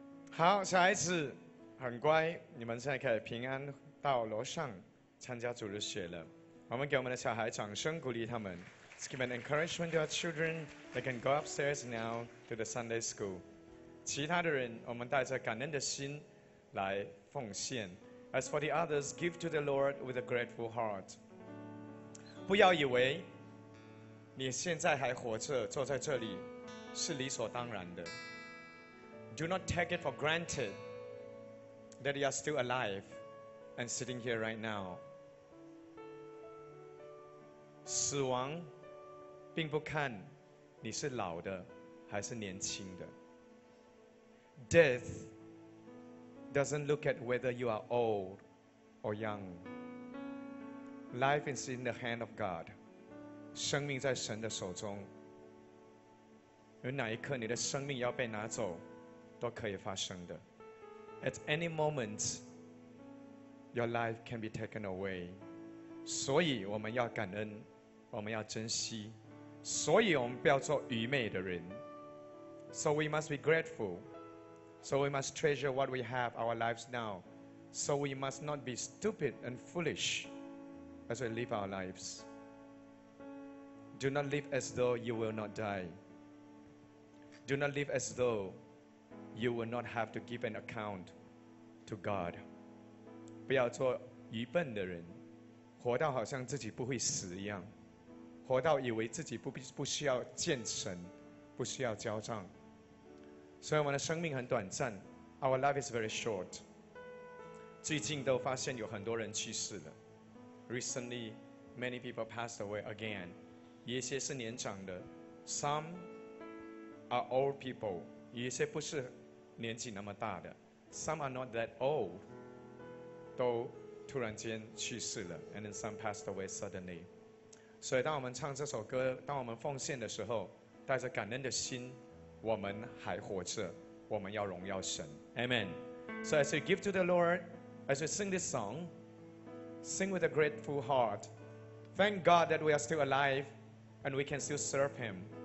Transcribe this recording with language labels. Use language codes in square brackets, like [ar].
[zh] 好，小孩子很乖，你们现在可以平安到楼上参加主日学了。我们给我们的小孩掌声鼓励他们。 [en] Let's give an encouragement to our children. They can go upstairs now to the Sunday school. [zh] 其他的人，我们带着感恩的心来奉献。 [en] As for the others, give to the Lord with a grateful heart. [zh] 不要以为你现在还活着，坐在这里是理所当然的。 [en] Do not take it for granted that you are still alive and sitting here right now. [zh] 死亡并不看你是老的还是年轻的。 [en] Death doesn't look at whether you are old or young. Life is in the hand of God. [zh] 生命在神的手中。有哪一刻你的生命要被拿走？都可以发生的。 [en] At any moment, your life can be taken away. [zh] 所以我们要感恩，我们要珍惜，所以我们不要做愚昧的人。 [en] So we must be grateful. So we must treasure what we have, our lives now. So we must not be stupid and foolish as we live our lives. Do not live as though you will not die. Do not live as though you will not have to give an account to God. [zh] 不要做愚笨的人，活到好像自己不会死一样，活到以为自己不需要见神，不需要交账。所以我们的生命很短暂， [en] Our life is very short. [zh] 最近都发现有很多人去世了， [en] Recently, many people passed away again. [zh] 一些是年长的， [en] Some are old people. [zh] 一些不是年纪那么大的， [en] Some are not that old. [zh] 都突然间去世了， [en] And then some passed away suddenly. [zh] 所以当我们唱这首歌，当我们奉献的时候，带着感恩的心，我们还活着，我们要荣耀神。 [en] Amen. So as you give to the Lord, as you sing this song, sing with a grateful heart. Thank God that we are still alive and we can still serve Him.